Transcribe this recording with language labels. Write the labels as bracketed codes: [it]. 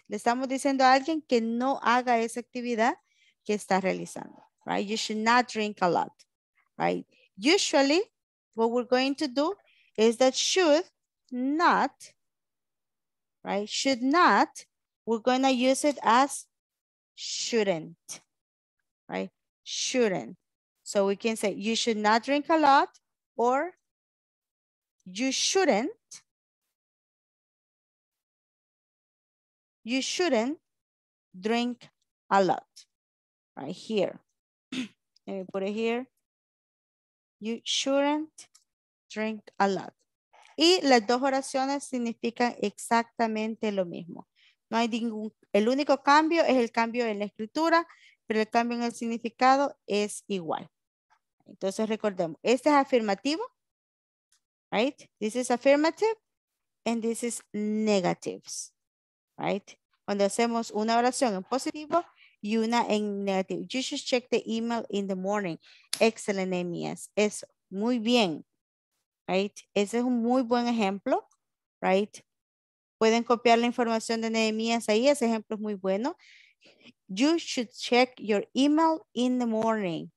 [es] Le estamos diciendo a alguien que no haga esa actividad que está realizando, right? [en] You should not drink a lot, right? Usually, what we're going to do is that should not, right? Should not, we're going to use it as shouldn't, right? Shouldn't. So we can say you should not drink a lot or you shouldn't drink a lot, right here. Let me put it here. You shouldn't drink a lot. [es] Y las dos oraciones significan exactamente lo mismo. No hay ningún, el único cambio es el cambio en la escritura, pero el cambio en el significado es igual. Entonces recordemos, este es afirmativo, right? [en] This is affirmative and this is negatives, right? [es] Cuando hacemos una oración en positivo y una en negativo. [en] You should check the email in the morning. Excellent, [es] Amias. Es muy bien, right? Ese es un muy buen ejemplo, right? Pueden copiar la información de Nehemías ahí, ese ejemplo es muy bueno. [en] You should check your email in the morning.